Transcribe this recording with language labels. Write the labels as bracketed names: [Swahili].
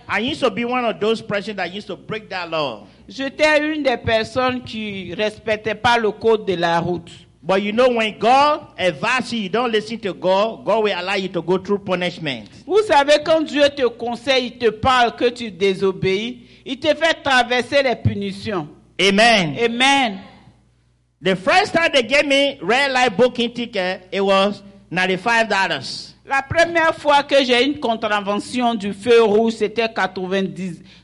[English] I used to be one of those persons that used to break that law. [French] J'étais une des personnes qui respectait pas le code de la route. [English] But you know when God advises you, you don't listen to God, God will allow you to go through punishment. [French] Vous savez quand Dieu te conseille, il te parle que tu désobéis, il te fait traverser les punitions. [English] Amen. Amen. The first time they gave me red light booking ticket, it was $95. [French] La première fois que j'ai une contravention du feu rouge, c'était $95.